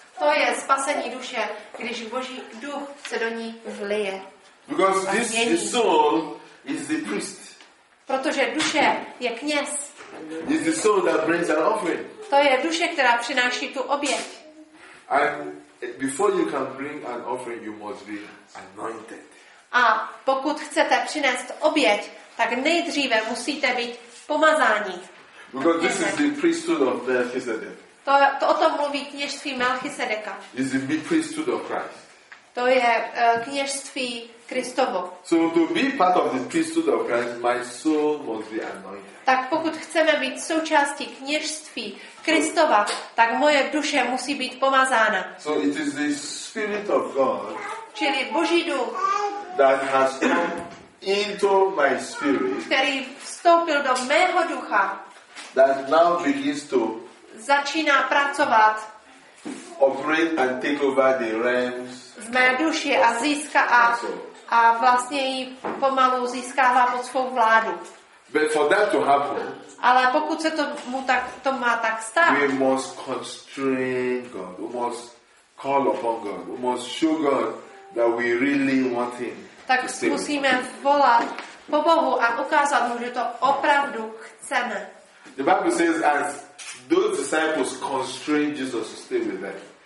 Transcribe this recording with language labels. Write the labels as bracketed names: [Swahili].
[Czech] To je spasení duše, když Boží duch se do ní vlije. [English] Because this the soul is the priest. [Czech] Protože duše je kněz. [English] It's the soul that brings an offering. [Czech] To je duše, která přináší tu oběť. [English] And before you can bring an offering, you must be anointed. [Czech] A pokud chcete přinést oběť, tak nejdříve musíte být pomazáni. [English] Because this is the priesthood of Melchizedek. [Czech] To o tom mluví kněžství Melchizedeka. [English] It's the priesthood of Christ. [Czech] To je kněžství Kristovo. [English] So to be part of the priesthood of Christ, my soul must be anointed. [Czech] Tak pokud chceme být součástí kněžství Kristova, tak moje duše musí být pomazána. [English] So it is the Spirit of God. [Czech] Čili Boží duch. [English] That has come into my spirit. [Czech] Který vstoupil do mého ducha. [English] That now begins to. [Czech] Začíná pracovat. [English] Operate and take over the realms. [Czech] Z mé duše a získá a vlastně ji pomalu získává pod svou vládu. [English] But for that to happen, [Czech] ale pokud se to mu tak to má tak stát, [English] we must constrain God, we must call upon God, we must show God that we really want Him. [Czech] Tak musíme volat po Bohu a ukázat mu, že to opravdu chceme. [English] The Bible says, as those disciples constrained Jesus to stay with them.